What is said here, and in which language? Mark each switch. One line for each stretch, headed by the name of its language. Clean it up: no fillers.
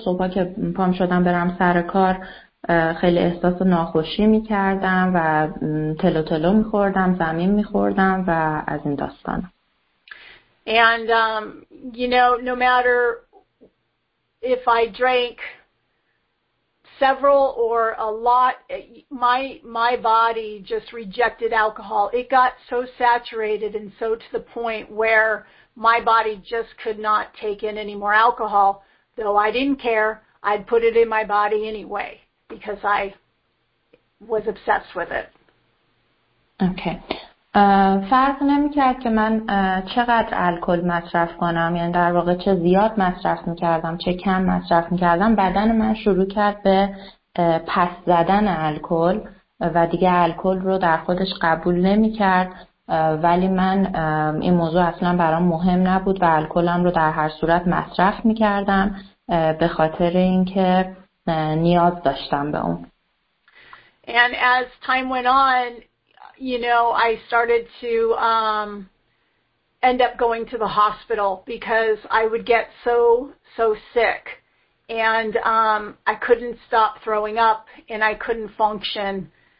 Persian: صبح که پام شدم برم سر کار خیلی احساس ناخوشی میکردم و تلو تلو میخوردم، زمین میخوردم و از این داستان.
English: And you know, no matter if I drank several or a lot, my body just rejected alcohol. It got so saturated and so to the point where my body just could not take in any more alcohol, though I didn't care. I'd put it in my body anyway because I was obsessed with it. Okay.
Persian: فرق نمی کرد که من چقدر الکل مصرف کنم، یعنی در واقع چه زیاد مصرف می کردم چه کم مصرف می کردم، بدن من شروع کرد به پس زدن الکل و دیگه الکل رو در خودش قبول نمی کرد، ولی من این موضوع اصلا برام مهم نبود و الکلم رو در هر صورت مصرف می کردم به خاطر اینکه نیاز داشتم به اون.
English: And as time went on, you know, I started to end up going to the hospital because I would get so sick, and I couldn't stop throwing up and I couldn't function.